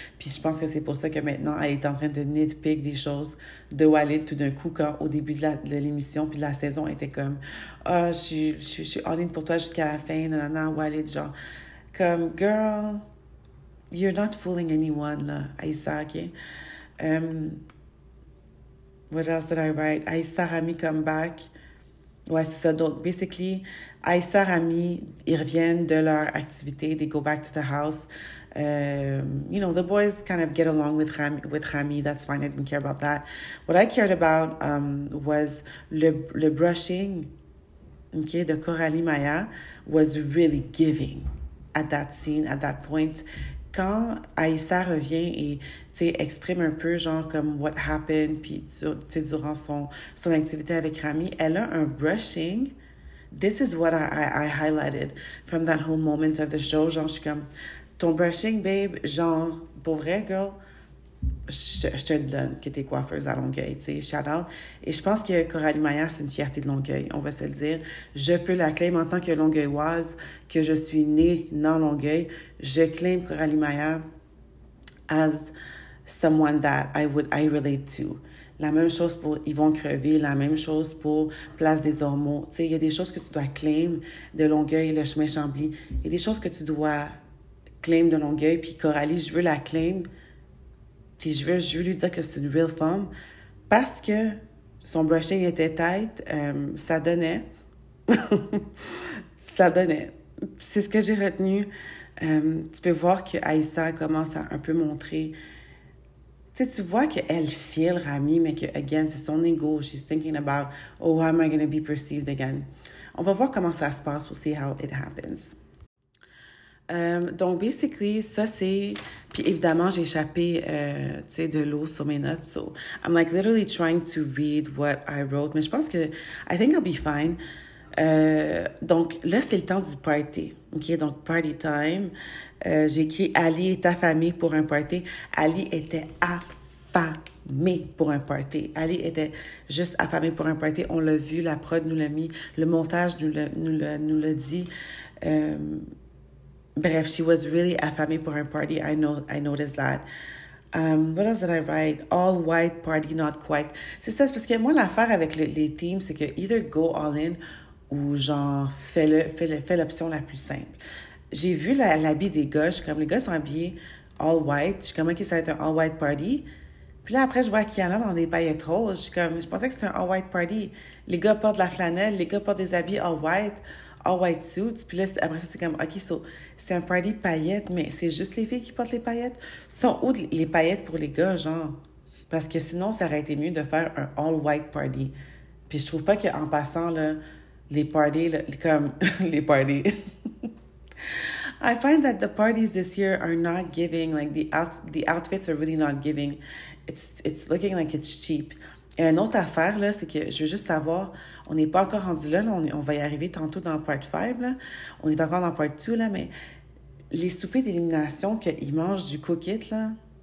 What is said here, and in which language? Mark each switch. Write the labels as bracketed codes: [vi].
[fr] Puis je pense que c'est pour ça que maintenant, elle est en train de nitpick des choses de Walid tout d'un coup, quand au début de l'émission, puis de la saison, elle était comme, ah, oh, je suis all in pour toi jusqu'à la fin, nanana, Walid, genre, comme, [en] girl, you're not fooling anyone, [fr] là, Aïssa, OK? [en] What else did I write? [fr] Aïssa, Rami, [en] come back. [fr] Ouais, c'est ça. Donc, basically, Aïssa, Rami, ils reviennent de leur activité. [en] They go back to the house. You know, the boys kind of get along with Rami. That's fine. I didn't care about that. What I cared about was [fr] le brushing, [en] okay, de Coralie Maya was really giving at that scene, at that point. [fr] quand Aïssa revient et exprime un peu genre comme [en] what happened [fr] puis tu sais durant son activité avec Rami, elle a un brushing. [en] This is what I highlighted from that whole moment of the show. [fr] Genre, je suis comme, ton brushing, babe, genre, pour vrai, girl, je te le donne, que t'es coiffeuse à Longueuil, tu sais, shout out. Et je pense que Coralie Maillard, c'est une fierté de Longueuil, on va se le dire. Je peux la claim en tant que Longueuilloise, que je suis née dans Longueuil. Je claim [en] Coralie Maillard as someone that I relate to. [fr] La même chose pour Yvon Crevé, la même chose pour Place des Ormeaux. Tu sais, il y a des choses que tu dois claim de Longueuil, le chemin Chambly. Il y a des choses que tu dois claim de Longueuil. Puis Coralie, je veux la claim. Puis je veux lui dire que c'est une real femme. Parce que son brushing était tight, ça donnait. Ça donnait. C'est ce que j'ai retenu. Tu peux voir que Aïssa commence à un peu montrer. Tu sais, tu vois qu'elle feel Rami, mais que, again, c'est son ego. [en] She's thinking about, oh, how am I going to be perceived again? [fr] On va voir comment ça se passe. [en] We'll see how it happens. [fr] Donc, basically, ça, c'est... Puis, évidemment, j'ai échappé, tu sais, de l'eau sur mes notes. [en] So, I'm, like, literally trying to read what I wrote. [fr] Mais je pense que... [en] I think I'll be fine. [fr] Donc, là, c'est le temps du party. OK? Donc, party time. J'ai écrit Ali est affamé pour un party. Ali était affamé pour un party. Ali était juste affamé pour un party. On l'a vu, la prod nous l'a mis, le montage nous l'a dit. Bref, [en] she was really [fr] affamée pour un party. [en] I noticed that. What else did I write? All white party, not quite. [fr] C'est ça, c'est parce que moi, l'affaire avec les teams, c'est que [en] either go all in [fr] ou genre fais l'option la plus simple. J'ai vu l'habit des gars, je suis comme les gars sont habillés all white. Je suis comme, OK, ça va être un all white party. Puis là, après, je vois qu'il y en a dans des paillettes roses. Je suis comme, je pensais que c'était un all white party. Les gars portent de la flanelle, les gars portent des habits all white suits. Puis là, après ça, c'est comme, OK, so, c'est un party paillettes, mais c'est juste les filles qui portent les paillettes. Sont où les paillettes pour les gars, genre? Parce que sinon, ça aurait été mieux de faire un all white party. Puis je trouve pas qu'en passant, là, les parties, là, comme, les parties. [en] I find that the parties this year are not giving, like the outfits are really not giving. It's looking like it's cheap. [fr] Et une autre affaire, là, c'est que je veux juste savoir, on n'est pas encore rendu là, on va y arriver tantôt dans part 5, là. On est encore dans part 2, là, mais les soupers d'élimination qu'ils mangent du cookit, là.